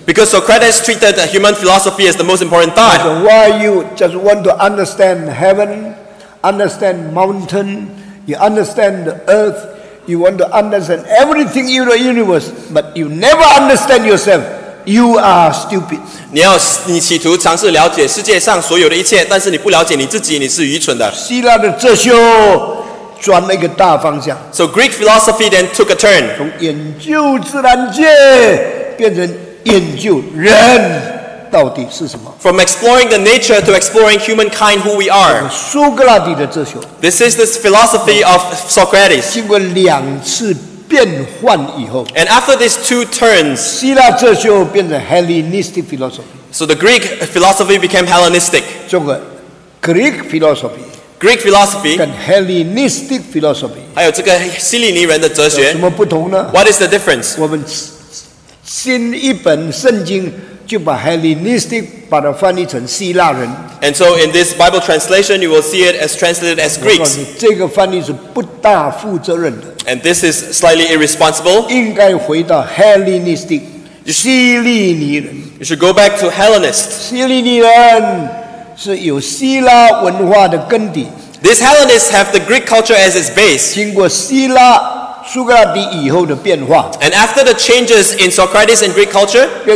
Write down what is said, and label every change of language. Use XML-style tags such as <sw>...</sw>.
<en>because Socrates treated the human philosophy as the most important thought. Why you just want to understand heaven, understand mountain, you understand the earth, you want to understand everything in the universe, but you never understand yourself, you are stupid.</en> <zh>你企图尝试了解世界上所有的一切, 但是你不了解你自己, 你是愚蠢的。希腊的哲学转了一个大方向,</zh> <en>so Greek philosophy then took a turn,</en> <zh>从研究自然界变成研究人到底是什么,</zh> <en>from exploring the nature to exploring humankind, who we are.</en> <zh>苏格拉底的哲学,</zh> <en>this is this philosophy of Socrates.</en> <zh>经过两次 变换以后,</zh> <en>and after these two turns,</en> <zh>希腊哲学变成 Hellenistic philosophy.</zh> <en>So the Greek philosophy became Hellenistic.</en> <zh>这个 Greek philosophy,</zh> <en>Greek philosophy,</en> <zh>跟 Hellenistic philosophy, 还有这个希利尼人的哲学, 有什么不同呢?</zh> <en>What is the difference?</en> <zh>我们新一本圣经, 就把 Hellenistic 把它翻译成希腊人,</zh> <en>and so in this Bible translation, you will see it as translated as Greeks.</en> <zh>这个翻译是不大负责任的,</zh> <en>and this is slightly irresponsible.</en> <zh>应该回到 Hellenistic, 希利尼人,</zh> <en>you should go back to Hellenist.</en> <zh>希利尼人是有希腊文化的根底,</zh> <en>these Hellenists have the Greek culture as its base.</en> <zh>经过希腊 苏格拉底以后的变化,</zh> <en>and after the changes in Socrates and Greek culture,</en>